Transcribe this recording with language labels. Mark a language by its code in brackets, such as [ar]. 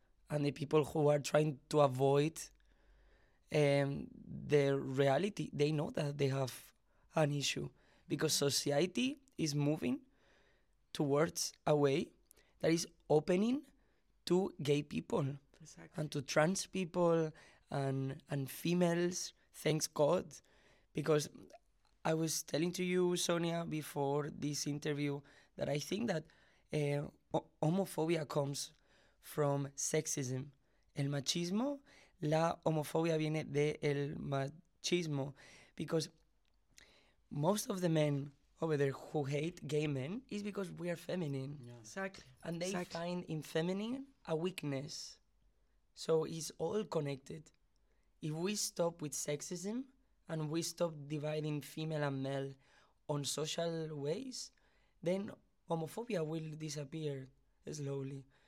[en] And the people who are trying to avoid the reality, they know that they have an issue, because society is moving towards a way that is opening to gay people. Exactly. And to trans people and females, thanks God. Because I was telling to you, Sonia, before this interview, that I think that homophobia comes from sexism. [es] El machismo, la homofobia viene de el machismo. [en] Because most of the men over there who hate gay men is because we are feminine. Yeah. Exactly. And they exactly. find in feminine a weakness. So it's all connected. If we stop with sexism and we stop dividing female and male on social ways, then homophobia will disappear slowly.